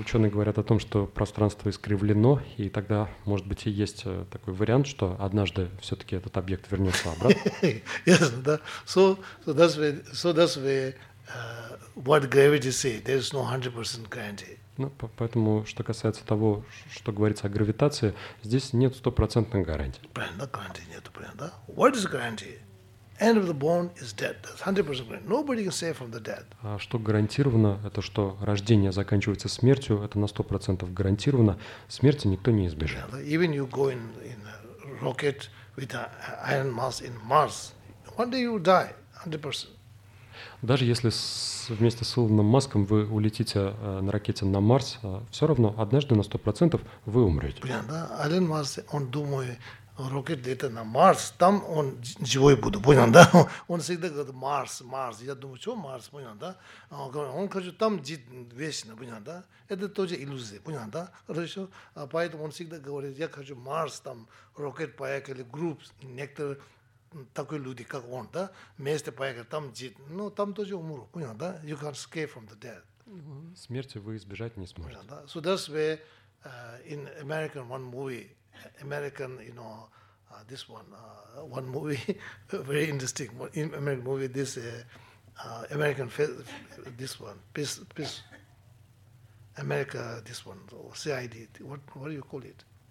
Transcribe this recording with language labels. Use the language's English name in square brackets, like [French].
[Russian] Ученые говорят о том, что пространство искривлено, и тогда, может быть, и есть такой вариант, что однажды все-таки этот объект вернется обратно. [English] Yes, да. So that's where what gravity say, there is no 100% guarantee. [Russian] Ну, поэтому, что касается того, что говорится о гравитации, здесь нет 100% гарантии. Правильно, гарантии нет, правильно, да? [English] What is guarantee? End of the bone is dead. That's 100% guarantee. Nobody can save from the dead. [Russian] А что гарантировано, это что рождение заканчивается смертью, это на 100% гарантировано. Смерти никто не избежит. [English] Yeah, even you go in a rocket with an iron mass in Mars, one day you will die, 100%. [Russian] Даже если вместе с Илоном Маском вы улетите на ракете на Марс, все равно однажды на 100% вы умрете. Блин, да? Илон Маск, он думает, ракет где-то на Марс, там он живой будет, понял, да? Он всегда говорит, Марс, Марс. Я думаю, что Марс, понял, да? Он хочет там жить вечно, понял, да? Это тоже иллюзия, понял, да? Хорошо? Поэтому он всегда говорит, я хочу Марс, там ракет поехали, групп, некоторые... такой люди, как он, да, вместе поехали, там жить, но там тоже умру, понял, да? [English] You can't escape from the dead. [Russian] Смерти вы избежать не сможете. Понял, да? [English] So that's where in American one movie, American, you know, this one, one movie, very interesting, in American movie, this American, this one, peace, America, this one, CID, what do you call it?